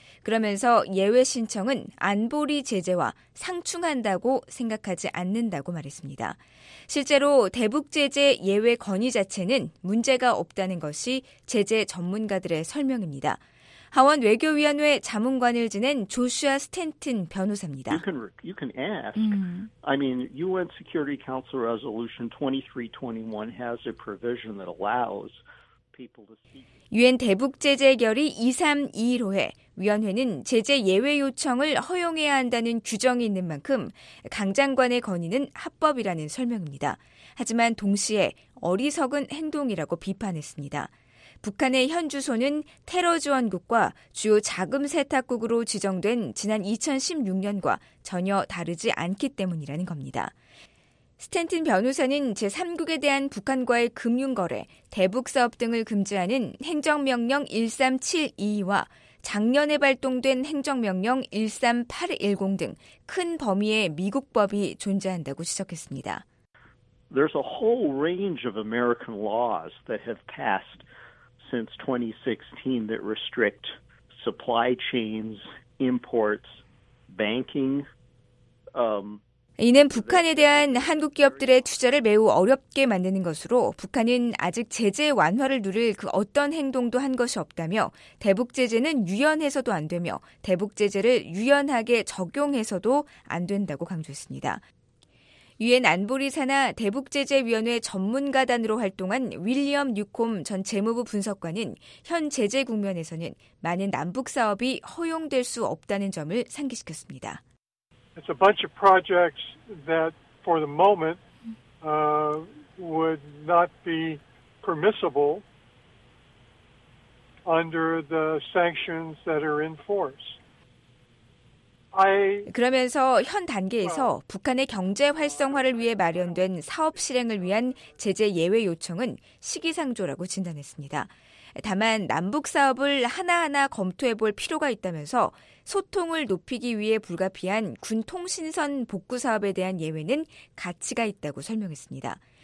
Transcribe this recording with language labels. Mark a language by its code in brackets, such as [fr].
[ko] 그러면서 예외 신청은 안보리 제재와 상충한다고 생각하지 않는다고 말했습니다. 실제로 대북 제재 예외 건의 자체는 문제가 없다는 것이 제재 전문가들의 설명입니다. 하원 외교위원회 자문관을 지낸 조슈아 스탠튼 변호사입니다. [en] UN Security Council Resolution 2321 has a provision that allows people to seek [ko] 유엔 대북 제재 결의 2321호에 위원회는 제재 예외 요청을 허용해야 한다는 규정이 있는 만큼 강 장관의 건의는 합법이라는 설명입니다. 하지만 동시에 어리석은 행동이라고 비판했습니다. 북한의 현 주소는 테러 지원국과 주요 자금 세탁국으로 지정된 지난 2016년과 전혀 다르지 않기 때문이라는 겁니다. 스탠튼 변호사는 제3국에 대한 북한과의 금융거래, 대북사업 등을 금지하는 행정명령 13722와 작년에 발동된 행정명령 13810 등 큰 범위의 미국법이 존재한다고 지적했습니다. [en] there's a whole range of American laws that have passed since 2016 that restrict supply chains, imports, banking. [ko] 이는 북한에 대한 한국 기업들의 투자를 매우 어렵게 만드는 것으로 북한은 아직 제재 완화를 누릴 그 어떤 행동도 한 것이 없다며 대북 제재는 유연해서도 안 되며 대북 제재를 유연하게 적용해서도 안 된다고 강조했습니다. 유엔 안보리 산하 대북제재위원회 전문가단으로 활동한 윌리엄 뉴콤 전 재무부 분석관은 현 제재 국면에서는 많은 남북 사업이 허용될 수 없다는 점을 상기시켰습니다. [en] It's a bunch of projects that for the moment would not be permissible under the sanctions that are in force. [ko] 그러면서 현 단계에서 북한의 경제 활성화를 위해 마련된 사업 실행을 위한 제재 예외 요청은 시기상조라고 진단했습니다. 다만 남북 사업을 하나하나 검토해볼 필요가 있다면서 소통을 높이기 위해 불가피한 군 통신선 복구 사업에 대한 예외는 가치가 있다고 설명했습니다.